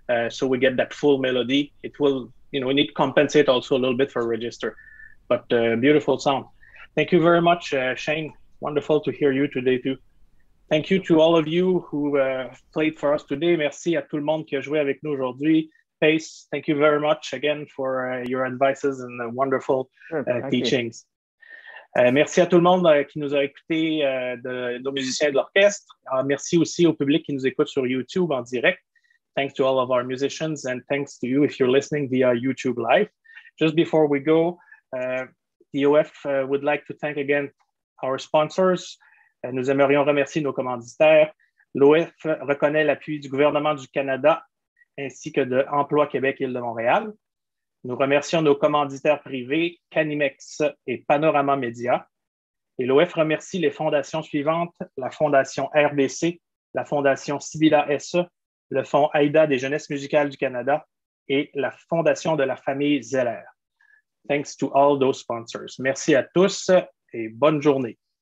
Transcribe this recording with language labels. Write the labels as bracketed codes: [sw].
[en] So we get that full melody. It will, you know, we need to compensate also a little bit for register, but beautiful sound. Thank you very much, Shane. Wonderful to hear you today too. Thank you to all of you who played for us today. [fr] Merci à tout le monde qui a joué avec nous aujourd'hui. [en] Pace, thank you very much again for your advices and the wonderful teachings. [fr] Merci à tout le monde qui nous a écouté, nos musiciens de l'orchestre. Merci aussi au public qui nous écoute sur YouTube en direct. [en] Thanks to all of our musicians and thanks to you if you're listening via YouTube Live. Just before we go, EOF would like to thank again our sponsors. [fr] Nous aimerions remercier nos commanditaires. L'OF reconnaît l'appui du gouvernement du Canada ainsi que de Emploi Québec Île de Montréal. Nous remercions nos commanditaires privés, Canimex et Panorama Média. Et l'OF remercie les fondations suivantes, la Fondation RBC, la Fondation Sibylla SE, le Fonds AIDA des Jeunesses Musicales du Canada et la Fondation de la Famille Zeller. [en] Thanks to all those sponsors. [fr] Merci à tous et bonne journée.